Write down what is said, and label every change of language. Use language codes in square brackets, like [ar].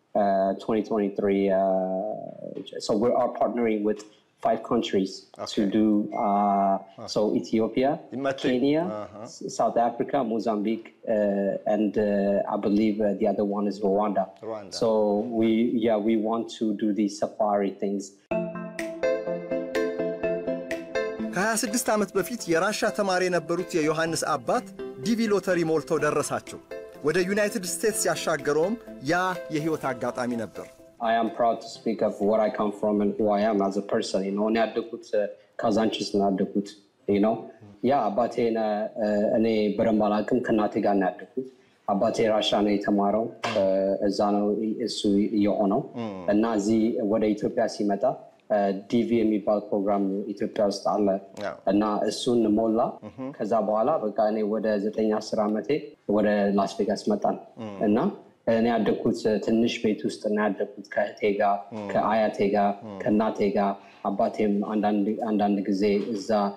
[en] So we're partnering with 5 countries. Okay. To do so Ethiopia, Kenya, South Africa, Mozambique, and I believe the other one is Rwanda. So we want to do these safari things. [am] ከ26 ዓመት በፊት የራሻ ተማሪ የነበሩት የዮሐንስ አባት ዲቪ ሎተሪ ሞልተው ደረሳቸው። ወደ ዩናይትድ ስቴትስ ያሻገረውም ያ የህይወት አጋጣሚ ነበር። [en] I am proud to speak of what I come from and who I am as a person, you know. [am] እኔ አደኩት ካዛንቺስ ነው አደኩት, [en] you know. [am] ያ አባቴ እኔ በረምባላቅም ከናቴ ጋር ነው ያደኩት። አባቴ ራሻ ነው የተማረው እዛ ነው እሱ የሆነው እና እዚህ ወደ ኢትዮጵያ ሲመጣ ዲቪ የሚባል ፕሮግራም ኢትዮጵያ ውስጥ አለ እና እሱን ሞላ። ከዛ በኋላ በቃ እኔ ወደ 9-10 ዓመቴ ወደ ላስ ቬጋስ መጣን እና እኔ ያደግኩት ትንሽ ቤት ውስጥ እና ያደግኩት ከእህቴ ጋ ከአያቴ ጋ ከእናቴ ጋ አባቴም አንዳንድ ጊዜ እዛ